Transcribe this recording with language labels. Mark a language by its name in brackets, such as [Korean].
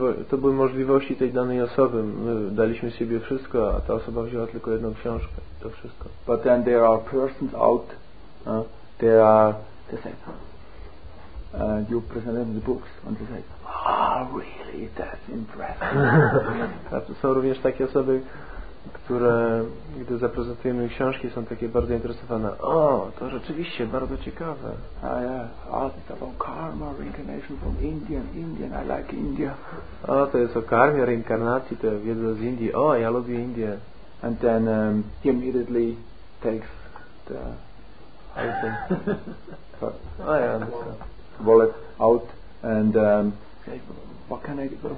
[Polish] To były możliwości tej danej osoby. My daliśmy siebie wszystko, a ta osoba wzięła tylko jedną książkę. To wszystko. [English] But then there are persons out. There are. They say, you present them the books, and they say, ah, really? That's impressive. [Polish] Są również takie osoby, które gdy zaprezentujemy książki, są takie bardzo interesowane. O, to rzeczywiście bardzo ciekawe. [English] Karma, reincarnation from Indian, I like India. [Polish] O, to jest o karmie, reinkarnacji, to wiedzę z Indii. O, ja lubię Indię. [English] And then he immediately takes the open wallet out and say, what can I do?